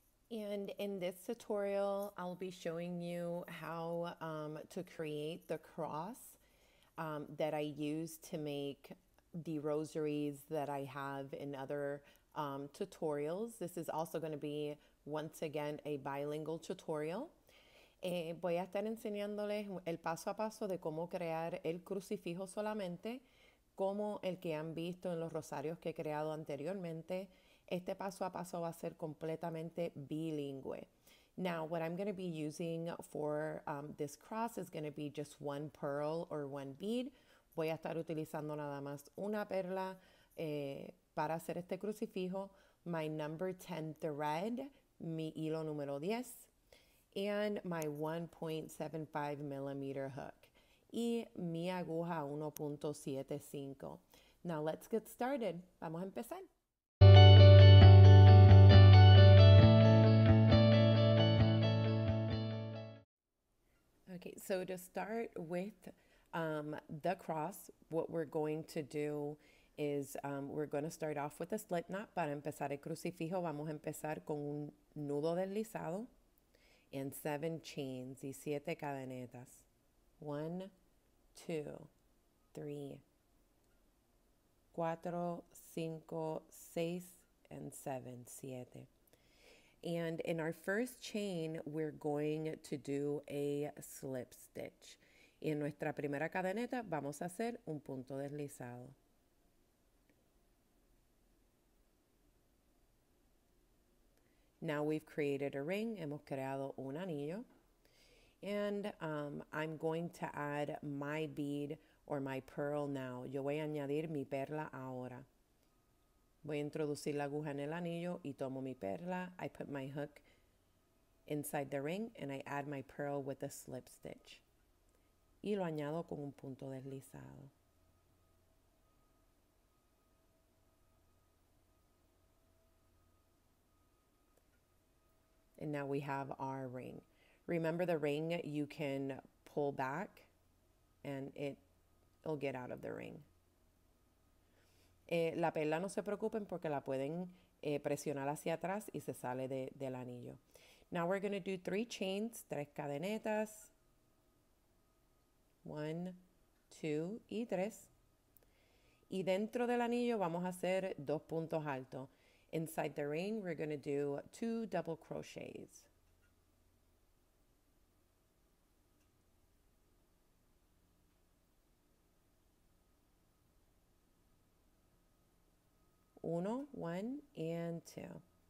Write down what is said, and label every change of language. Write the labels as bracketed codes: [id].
[en] And in this tutorial, I'll be showing you how to create the cross that I use to make the rosaries that I have in other tutorials. This is also going to be, once again, a bilingual tutorial. [es] Voy a estar enseñándoles el paso a paso de cómo crear el crucifijo solamente, como el que han visto en los rosarios que he creado anteriormente. Este paso a paso va a ser completamente bilingüe. [en] Now, what I'm going to be using for this cross is going to be just one pearl or one bead. [es] Voy a estar utilizando nada más una perla para hacer este crucifijo. [en] My number 10 thread, [es] mi hilo número 10, [en] and my 1.75 millimeter hook. [es] Y mi aguja 1.75. [en] Now, let's get started. [es] Vamos a empezar. [en] Okay, so to start with the cross, what we're going to do is we're going to start off with a slip knot. [es] Para empezar el crucifijo, vamos a empezar con un nudo deslizado [en] and 7 chains [es] y 7 cadenetas. [en] 1, 2, 3, 4, 5, 6, and 7, 7. And in our first chain, we're going to do a slip stitch. [es] Y en nuestra primera cadeneta, vamos a hacer un punto deslizado. [en] Now we've created a ring, [es] hemos creado un anillo. [en] And I'm going to add my bead or my pearl now. [es] Yo voy a añadir mi perla ahora. Voy a introducir la aguja en el anillo y tomo mi perla. [en] I put my hook inside the ring and I add my pearl with a slip stitch. [es] Y lo añado con un punto deslizado. [en] And now we have our ring. Remember the ring, you can pull back and it'll get out of the ring. [es] La perla no se preocupen porque la pueden presionar hacia atrás y se sale del anillo. [en] Now we're going to do 3 chains, [es] 3 cadenetas. 1, 2 y 3. Y dentro del anillo vamos a hacer 2 puntos altos. [en] Inside the ring, we're going to do 2 double crochets. Uno, one, and two.